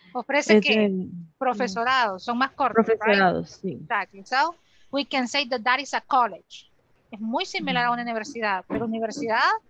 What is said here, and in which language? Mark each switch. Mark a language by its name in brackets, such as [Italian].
[Spanish] ofrece es que el, profesorado, son más cortos. Profesorados, [English] right? [Spanish] Sí. [English] Exactly. So we can say that that is a college. [Spanish] Es muy similar a una universidad, pero universidad,